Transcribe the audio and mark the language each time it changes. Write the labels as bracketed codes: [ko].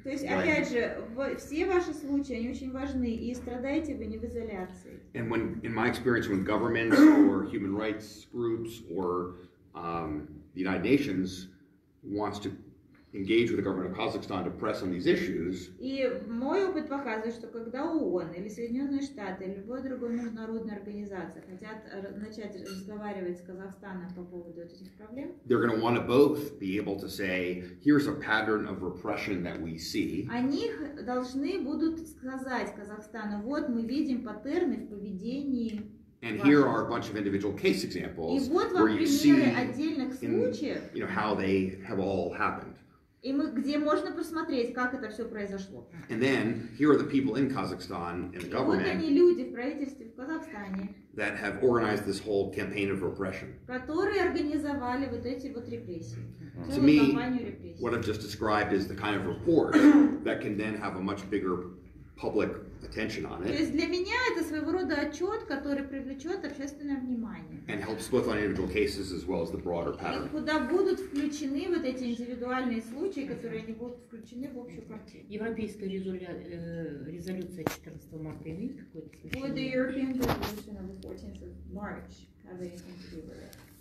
[ru] То есть, опять же, все ваши случаи, они очень важны, и страдаете вы не в изоляции. [en] And when, in my experience, when governments or human rights groups or the United Nations wants to engage with the government of Kazakhstan to press on these issues. [ru] И мой опыт показывает, что когда ООН или Соединенные Штаты или любая другая международная организация хотят начать разговаривать с Казахстаном по поводу этих проблем. [en] They're going to want to both be able to say, here's a pattern of repression that we see. [ru] Они должны будут сказать Казахстану, вот мы видим паттерны в поведении. [en] And here are a bunch of individual case examples [ru] вот [en] where you see in, you know, how they have all happened. [ru] И мы, где можно посмотреть, как это все произошло. [en] And then, here are the people in Kazakhstan and the government [ru] вот они, люди в правительстве в Казахстане, [en] that have organized this whole campaign of repression. [ru] Которые организовали вот эти вот репрессии. [en] To me, what I've just described is the kind of report that can then have a much bigger public attention on it. [ru] То есть для меня это своего рода отчет, который привлечет общественное внимание. [en] And helps both on individual cases as well as the broader pattern. [ru] И куда будут включены вот эти индивидуальные случаи, которые не будут включены в общую картину. Европейская резолюция 14 марта имеет какое-то значение? [en] Would the European resolution of the 14th of March have anything to do with it?